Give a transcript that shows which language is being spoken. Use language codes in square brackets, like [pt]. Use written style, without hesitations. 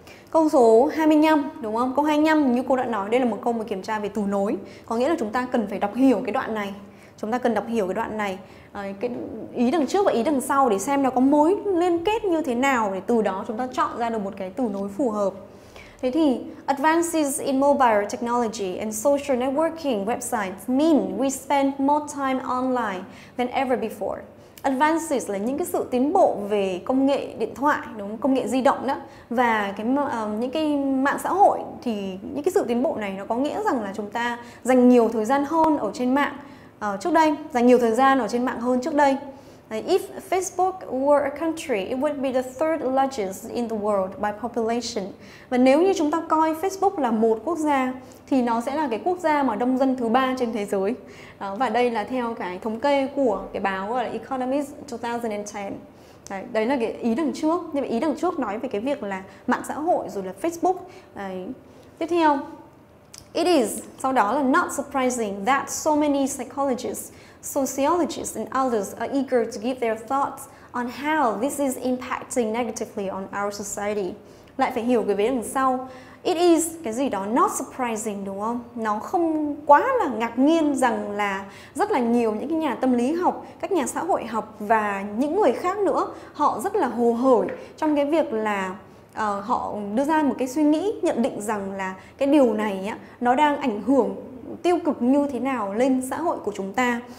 [vi] Câu số 25 đúng không? Câu 25 như cô đã nói, đây là một câu mà kiểm tra về từ nối. Có nghĩa là chúng ta cần phải đọc hiểu cái đoạn này. Chúng ta cần đọc hiểu cái đoạn này, cái ý đằng trước và ý đằng sau để xem nó có mối liên kết như thế nào, để từ đó chúng ta chọn ra được một cái từ nối phù hợp. Thế thì [en] advances in mobile technology and social networking websites mean we spend more time online than ever before. [vi] Advances là những cái sự tiến bộ về công nghệ điện thoại, đúng không? Công nghệ di động đó. Và cái những cái mạng xã hội thì những cái sự tiến bộ này nó có nghĩa rằng là chúng ta dành nhiều thời gian hơn ở trên mạng trước đây, dành nhiều thời gian ở trên mạng hơn trước đây. [en] If Facebook were a country, it would be the third largest in the world by population. [vi] Và nếu như chúng ta coi Facebook là một quốc gia thì nó sẽ là cái quốc gia mà đông dân thứ ba trên thế giới. Đó, và đây là theo cái thống kê của cái báo gọi là Economist 2010. Đấy là cái ý đằng trước. Nhưng mà ý đằng trước nói về cái việc là mạng xã hội rồi là Facebook. Đấy. Tiếp theo. [en] It is, [vi] sau đó là [en] not surprising that so many psychologists, sociologists and others are eager to give their thoughts on how this is impacting negatively on our society. [vi] Lại phải hiểu cái vế đằng sau. [en] It is, [vi] cái gì đó, [en] not surprising, [vi] đúng không? Nó không quá là ngạc nhiên rằng là rất là nhiều những cái nhà tâm lý học, các nhà xã hội học và những người khác nữa, họ rất là hồ hởi trong cái việc là họ đưa ra một cái suy nghĩ, nhận định rằng là cái điều này á, nó đang ảnh hưởng tiêu cực như thế nào lên xã hội của chúng ta.